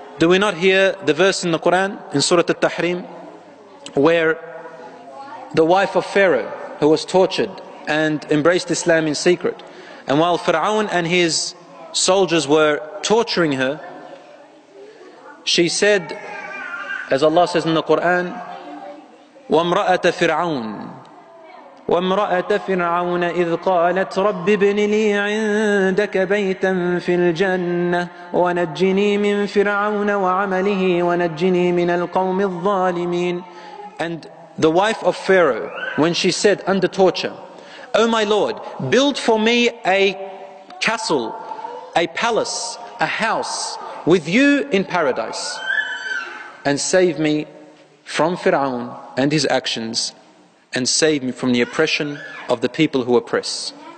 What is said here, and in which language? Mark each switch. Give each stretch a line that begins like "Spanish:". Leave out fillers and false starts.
English: Do we not hear the verse in the Quran, in Surah At-Tahrim, where the wife of Pharaoh, who was tortured and embraced Islam in secret, and while Fir'aun and his soldiers were torturing her, she said, As Allah says in the Quran,
Arabic: وَامْرَأَةَ فِرْعَوْنَ وَامْرَأَةَ فِرْعَوْنَ إِذْ قَالَتْ رَبِّ بْنِ لِي عِنْدَكَ بَيْتًا فِي الْجَنَّةِ وَنَجِّنِي مِنْ فِرْعَوْنَ وَعَمَلِهِ وَنَجِّنِي مِنَ الْقَوْمِ الظَّالِمِينَ.
English: And the wife of Pharaoh, when she said under torture, O my Lord, build for me a castle, a palace, a house with you in paradise, and save me from Fir'aun and his actions, and save me from the oppression of the people who oppress.